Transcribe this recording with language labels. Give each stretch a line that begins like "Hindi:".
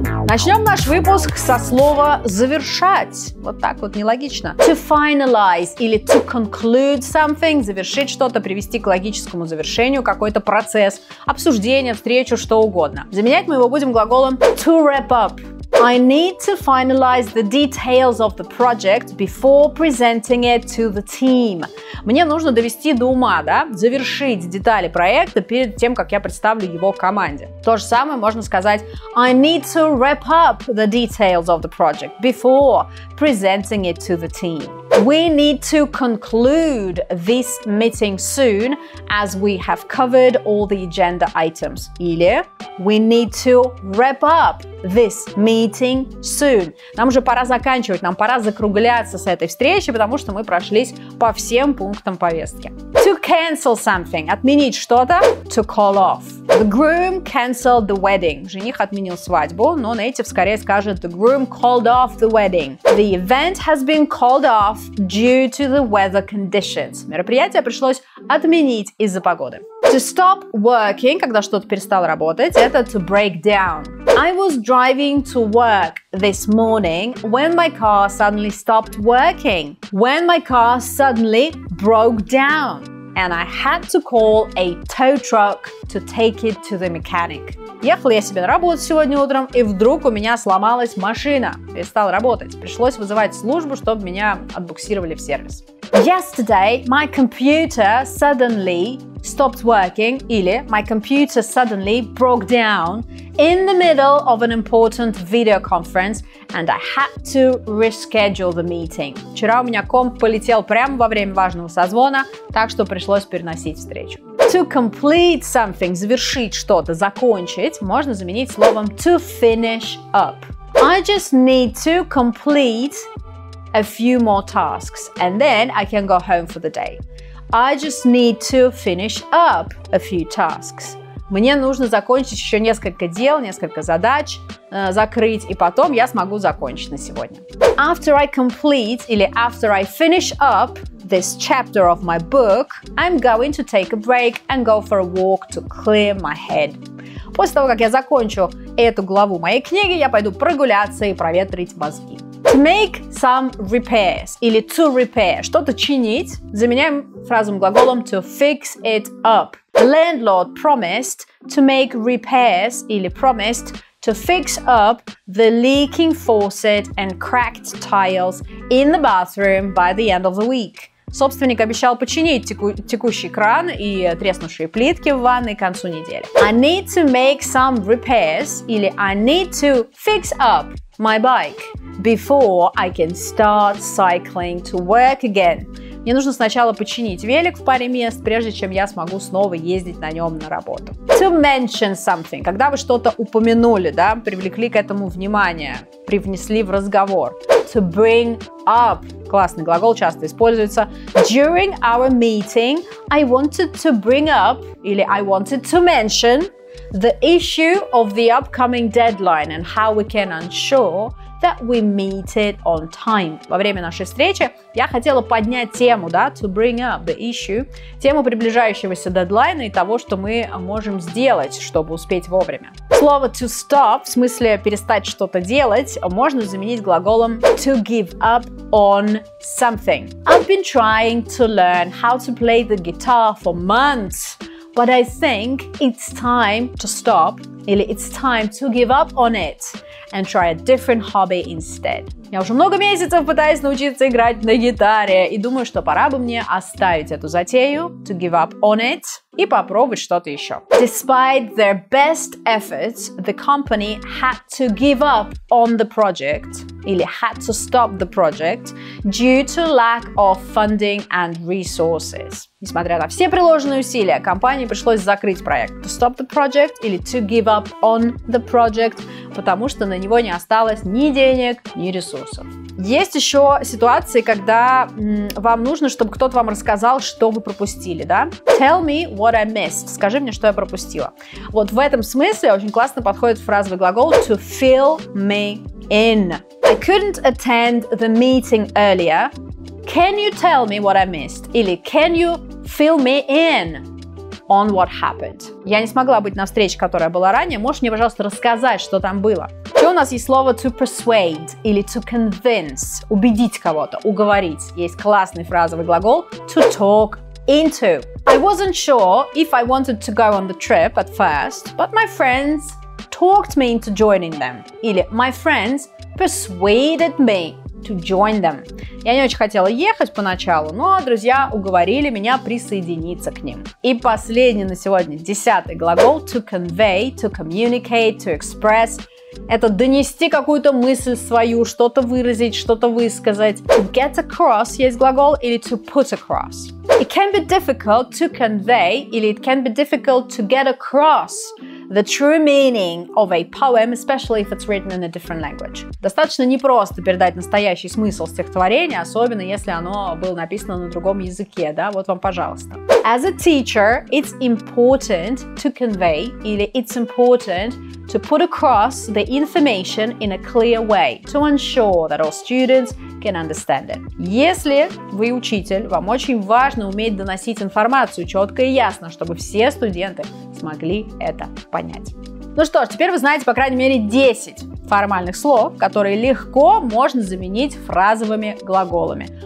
Russian: Начнем наш выпуск со слова «завершать». Вот так вот нелогично.
English: To finalize
Russian: или
English: to conclude something.
Russian: Завершить что-то, привести к логическому завершению какой-то процесс, обсуждение, встречу, что угодно. Заменять мы его будем глаголом
English: to wrap up. I need to finalize the details of the project before presenting it to the team.
Russian: Мне нужно довести до ума, да, завершить детали проекта перед тем, как я представлю его команде. То же самое можно сказать:
English: I need to wrap up the details of the project before presenting it to the team. We need to conclude this meeting soon, as we have covered all the agenda items. Или we need to wrap up this meeting soon.
Russian: Нам уже пора заканчивать, нам пора закругляться с этой встречи, потому что мы прошлись по всем пунктам повестки.
English: To cancel something.
Russian: Отменить что-то.
English: To call off. The groom cancelled the wedding.
Russian: Жених отменил свадьбу, но native скорее скажет
English: the groom called off the wedding. The event has been called off due to the weather conditions.
Russian: Мероприятие пришлось отменить из-за погоды.
English: To stop working,
Russian: когда что-то перестало работать, это
English: to break down. I was driving to work this morning when my car suddenly stopped working. When my car suddenly broke down. And I had to call a tow truck to take it to the mechanic.
Russian: Ехал я себе на работу сегодня утром, и вдруг у меня сломалась машина. Перестала работать. Пришлось вызывать службу, чтобы меня отбуксировали в сервис.
English: Yesterday my computer suddenly stopped working, или my computer suddenly broke down in the middle of an important video conference and I had to reschedule the meeting.
Russian: Вчера у меня комп полетел прямо во время важного созвона, так что пришлось переносить встречу.
English: To complete something,
Russian: завершить что-то, закончить, можно заменить словом
English: to finish up. I just need to complete a few more tasks and then I can go home for the day. I just need to finish up a few tasks.
Russian: Мне нужно закончить еще несколько дел, несколько задач, закрыть, и потом я смогу закончить на сегодня.
English: After I complete или after I finish up this chapter of my book, I'm going to take a break and go for a walk to clear my head.
Russian: После того, как я закончу эту главу моей книги, я пойду прогуляться и проветрить мозги.
English: To make some repairs или to repair.
Russian: Что-то чинить. Заменяем фразовым глаголом
English: to fix it up. The landlord promised to make repairs или promised to fix up the leaking faucet and cracked tiles in the bathroom by the end of the week.
Russian: Собственник обещал починить текущий кран и треснувшие плитки в ванной к концу недели.
English: I need to make some repairs или I need to fix up my bike before I can start cycling to work again.
Russian: Мне нужно сначала починить велик в паре мест, прежде чем я смогу снова ездить на нем на работу.
English: To mention something.
Russian: Когда вы что-то упомянули, да, привлекли к этому внимание, привнесли в разговор.
English: To bring up.
Russian: Классный глагол, часто используется.
English: During our meeting, I wanted to bring up, или I wanted to mention, the issue of the upcoming deadline and how we can ensure that we meet it on time.
Russian: Во время нашей встречи я хотела поднять тему, да,
English: to bring up the issue,
Russian: тему приближающегося дедлайна и того, что мы можем сделать, чтобы успеть вовремя. Слово
English: to stop,
Russian: в смысле перестать что-то делать, можно заменить глаголом
English: to give up on something. I've been trying to learn how to play the guitar for months, but I think it's time to stop, или it's time to give up on it and try a different hobby instead.
Russian: Я уже много месяцев пытаюсь научиться играть на гитаре и думаю, что пора бы мне оставить эту затею,
English: to give up on it,
Russian: и попробовать что-то еще.
English: Despite their best efforts, the company had to give up on the project. или had to stop the project due to lack of funding and resources.
Russian: Несмотря на все приложенные усилия, компании пришлось закрыть проект.
English: To stop the project или to give up on the project,
Russian: потому что на него не осталось ни денег, ни ресурсов. Есть еще ситуации, когда вам нужно, чтобы кто-то вам рассказал, что вы пропустили, да?
English: Tell me what I missed.
Russian: Скажи мне, что я пропустила. Вот в этом смысле очень классно подходит фразовый глагол
English: to fill me in. I couldn't attend the meeting earlier. Can you tell me what I missed? Или can you fill me in on what happened?
Russian: Я не смогла быть на встрече, которая была ранее. Можешь мне, пожалуйста, рассказать, что там было? Еще у нас есть слово
English: to persuade
Russian: или
English: to convince,
Russian: убедить кого-то, уговорить. Есть классный фразовый глагол
English: to talk into. I wasn't sure if I wanted to go on the trip at first, but my friends talked me into joining them. Или my friends persuaded me to join them.
Russian: Я не очень хотела ехать поначалу, но друзья уговорили меня присоединиться к ним. И последний на сегодня, 10-й глагол
English: to convey, to communicate, to express.
Russian: Это донести какую-то мысль свою, что-то выразить, что-то высказать.
English: To get across
Russian: есть глагол
English: или to put across. It can be difficult to convey или it can be difficult to get across the true meaning of a poem, especially if it's written in a different language.
Russian: Достаточно непросто передать настоящий смысл стихотворения, особенно если оно было написано на другом языке, да? Вот вам, пожалуйста.
English: As a teacher, it's important to convey или it's important to put across the information in a clear way to ensure that all students can understand it.
Russian: Если вы учитель, вам очень важно уметь доносить информацию четко и ясно, чтобы все студенты смогли это понять. Ну что ж, теперь вы знаете по крайней мере 10 формальных слов, которые легко можно заменить фразовыми глаголами.